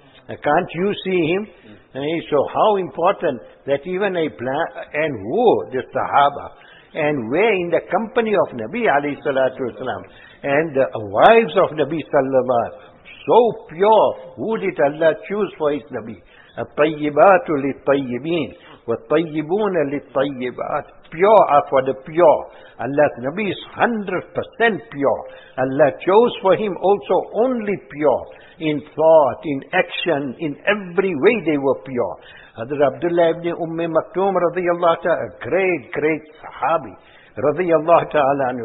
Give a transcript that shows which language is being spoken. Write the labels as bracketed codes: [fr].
[en] Can't you see him? So how important that even a blind, and who, the Sahaba, and where in the company of Nabi Ali Salatu Wasalam, and the wives of Nabi Sallallahu Alaihi Wasallam, so pure, who did Allah choose for his Nabi? [ar] الطيبات للطيبين والطيبون للطيبات. [en] Pure are for the pure. Allah's Nabi is 100% pure. Allah chose for him also only pure. In thought, in action, in every way they were pure. Hazrat Abdullah ibn Umm Maktoum radiallahu ta'ala, a great, great Sahabi radiallahu ta'ala.